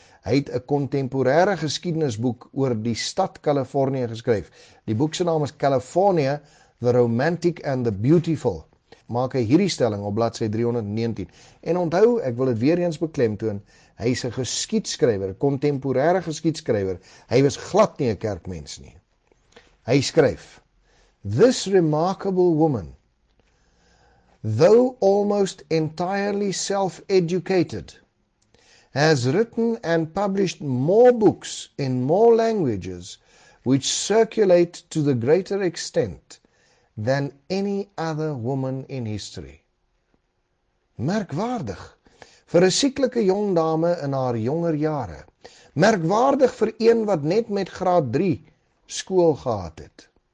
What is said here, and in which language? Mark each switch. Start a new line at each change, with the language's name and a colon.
Afrikaans: Hy het 'n kontemporêre geskiedenisboek oor die stad Kalifornië geskryf. Die boek se naam is California, The Romantic and the Beautiful. Maak hy hierdie stelling op bladsy 319. En onthou, ek wil dit weer eens beklemtoon, hy is 'n geskiedskrywer, kontemporêre geskiedskrywer. Hy was glad nie 'n kerkmens nie.
English: Hy skryf, "This remarkable woman, though almost entirely self-educated, has written and published more books in more languages which circulate to the greater extent than any other woman in history."
Afrikaans: Merkwaardig vir 'n sieklike jong dame in haar jonger jare. Merkwaardig vir een wat net met graad 3 skool gehad het.